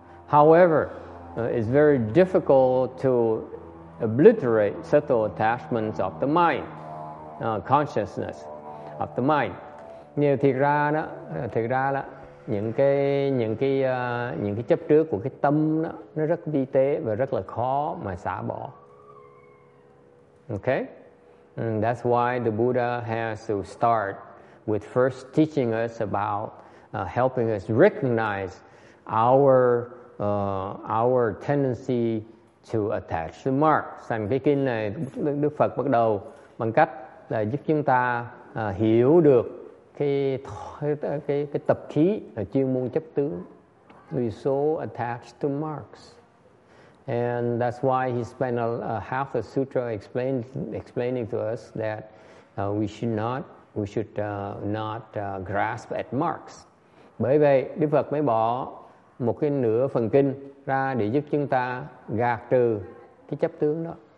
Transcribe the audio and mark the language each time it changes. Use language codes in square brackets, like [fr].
[en] However, it's very difficult to obliterate subtle attachments of the mind, consciousness of the mind. [vi] Nhưng thực ra đó những cái chấp trước của cái tâm đó, nó rất vi tế và rất là khó mà xả bỏ. [en] Okay? And that's why the Buddha has to start with first teaching us about helping us recognize our tendency to attach the mark. [vi] Sang cái kinh này Đức Phật bắt đầu bằng cách là giúp chúng ta hiểu được cái tập khí là chuyên môn chấp tướng. [en] We so attached to marks. And that's why he spent a half a sutra explaining to us that we should not grasp at marks. [vi] Bởi vậy Đức Phật mới bỏ một cái nửa phần kinh ra để giúp chúng ta gạt trừ cái chấp tướng đó.